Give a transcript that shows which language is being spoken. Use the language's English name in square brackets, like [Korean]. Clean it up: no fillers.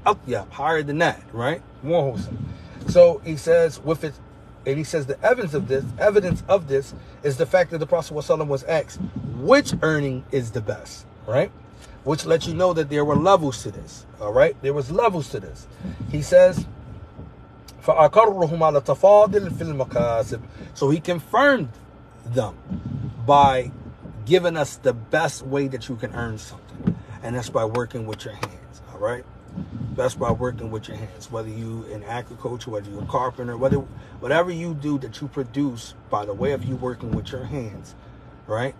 [English] Up, yeah, higher than that, right? More wholesome. So he says, with it, and he says the evidence of this is the fact that the Prophet was asked, which earning is the best, right? Which lets you know that there were levels to this, all right? There was levels to this. He says, [Arabic] فَأَقَرُّهُمْ عَلَى تَفَاضِلْ فِي الْمَكَاسِبِ. [English] So he confirmed them by giving us the best way that you can earn something. And that's by working with your hands, all right? That's by working with your hands, whether you in agriculture, whether you're a carpenter, whatever you do that you produce by the way of you working with your hands, right?